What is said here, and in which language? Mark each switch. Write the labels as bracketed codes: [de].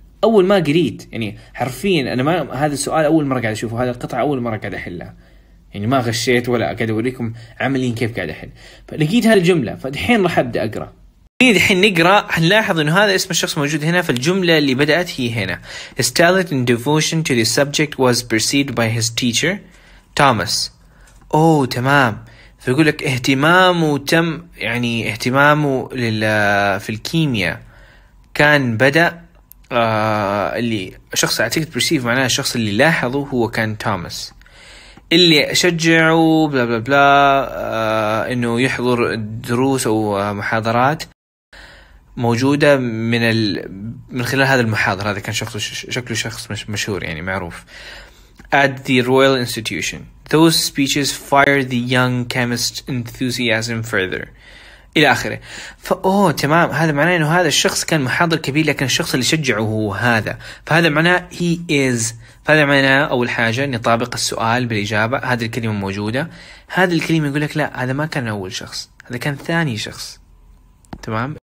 [ar] أول ما قريت يعني حرفين أنا ما هذا السؤال أول مرة قاعد أشوفه، هذا القطعة أول مرة قاعد أحلها، يعني ما غشيت ولا قاعد أوريكم عمليا كيف قاعد أحل، فلقيت هالجملة فالحين راح أبدأ أقرأ. إذا حين نقرأ هنلاحظ إنه هذا اسم الشخص موجود هنا في الجملة اللي بدأت هي هنا. [en] His talent and devotion to the subject was perceived by his teacher, Thomas. [ar] أوه تمام. فيقولك اهتمامه تم يعني اهتمامه لل في الكيمياء كان بدأ اللي شخص أعتقد perceive معناه الشخص اللي لاحظه هو كان Thomas. اللي أشجعه بلا بلا بلا إنه يحضر دروس أو محاضرات موجودة من من خلال هذا المحاضر، هذا كان شخص شكله شخص مشهور يعني معروف. [en] At the Royal Institution, those speeches fired the young chemist's enthusiasm further. [ar] إلى آخره. فأوه تمام، هذا معناه إنه هذا الشخص كان محاضر كبير، لكن الشخص اللي شجعه هو هذا. فهذا معناه he is. فهذا معناه أول حاجة نطابق السؤال بالإجابة، هذه الكلمة موجودة. هذا الكلمة يقول لك لا، هذا ما كان أول شخص، هذا كان ثاني شخص. تمام.